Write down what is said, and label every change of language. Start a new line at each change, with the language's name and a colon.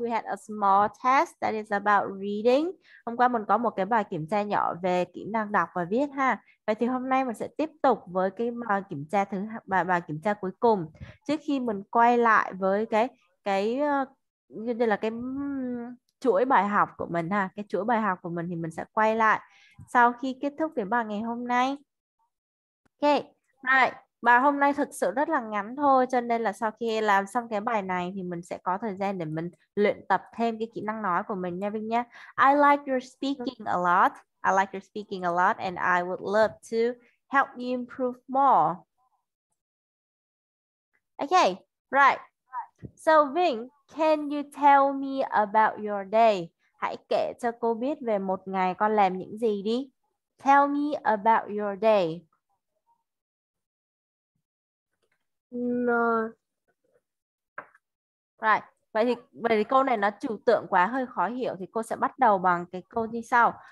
English: We had a small test that is about reading.
Vietnamese: Hôm qua mình có một cái bài kiểm tra nhỏ về kỹ năng đọc và viết ha. Vậy thì hôm nay mình sẽ tiếp tục với cái bài kiểm tra thứ bài kiểm tra cuối cùng trước khi mình quay lại với cái đây là cái chuỗi bài học của mình ha. Cái chuỗi bài học của mình thì mình sẽ quay lại sau khi kết thúc cái bài ngày hôm nay. Ok, bye. Bài hôm nay thực sự rất là ngắn thôi, cho nên là sau khi làm xong cái bài này thì mình sẽ có thời gian để mình luyện tập thêm cái kỹ năng nói của mình nha Vinh nhé.
English: I like your speaking a lot. I like your speaking a lot and I would love to help you improve more. Okay, right. So Vinh, can you tell me about your day?
Vietnamese: Hãy kể cho cô biết về một ngày con làm những gì đi.
English: Tell me about your day. No. Right.
Vietnamese: Vậy thì câu này nó trừu tượng quá hơi khó hiểu thì cô sẽ bắt đầu bằng cái câu như sau.